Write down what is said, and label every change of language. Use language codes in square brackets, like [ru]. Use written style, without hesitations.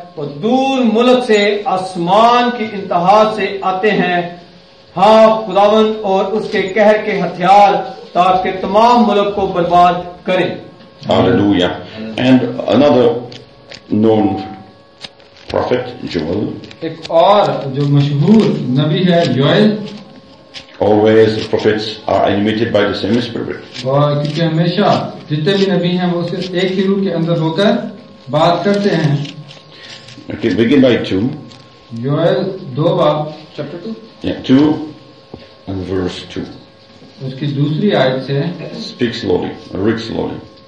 [hi] और दूर मुल्क से आसमान की इंतहा से आते हैं, हाँ खुदावन और उसके कहर के हथियार, ताकि तमाम मुल्क को बर्बाद करें। Hallelujah. [en] and another known prophet Joel, [hi] एक और जो मशहूर नबी है Joel, [en] Always the prophets are animated by the same spirit. [hi] क्योंकि हमेशा जितने भी नबी हैं वो सिर्फ एक ही रूह के अंदर होकर बात करते हैं। [en] Okay, begin by 2. [hi] Joel 2 बाब, chapter 2. [en] Yeah, 2 and verse 2. [hi] उसकी दूसरी आयत से। [en] Speak slowly, read slowly.